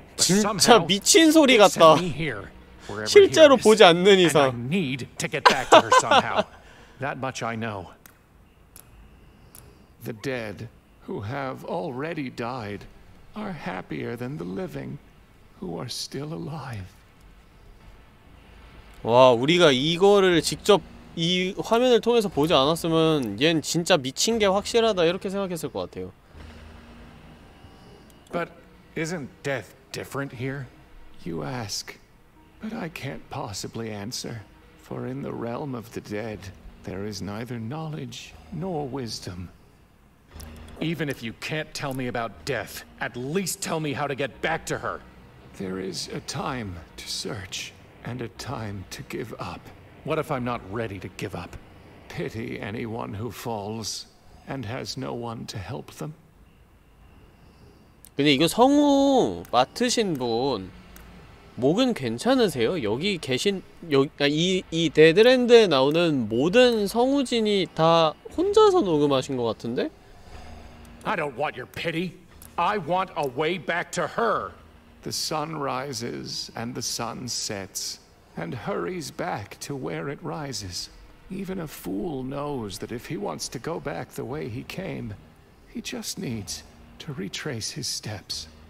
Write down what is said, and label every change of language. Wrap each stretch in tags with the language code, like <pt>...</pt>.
<en>but somehow,</en> <ko>미친 소리 같다.</ko> <en>It sent me here, wherever he is, and I need to get back to her somehow. That much I know. The dead, who have already died, are happier than the living, who are still alive.</en> <ko>와, 우리가 이거를 직접 이 화면을 통해서 보지 않았으면 얜 진짜 미친 게 확실하다 이렇게 생각했을 것 같아요.</ko> <en>But isn't death different here? You ask, but I can't possibly answer, for in the realm of the dead, there is neither knowledge nor wisdom. Even if you can't tell me about death, at least tell me how to get back to her. There is a time to search, and a time to give up. What if I'm not ready to give up? Pity anyone who falls, and has no one to help them.</en> <ko>근데 이거 성우 맡으신 분 목은 괜찮으세요? 여기 계신 이 데드랜드에 나오는 모든 성우진이 다 혼자서 녹음하신 것 같은데?</ko> <en>I don't want your pity. I want a way back to her. The sun rises and the sun sets and hurries back to where it rises. Even a fool knows that if he wants to go back the way he came, he just needs to retrace his steps.</en>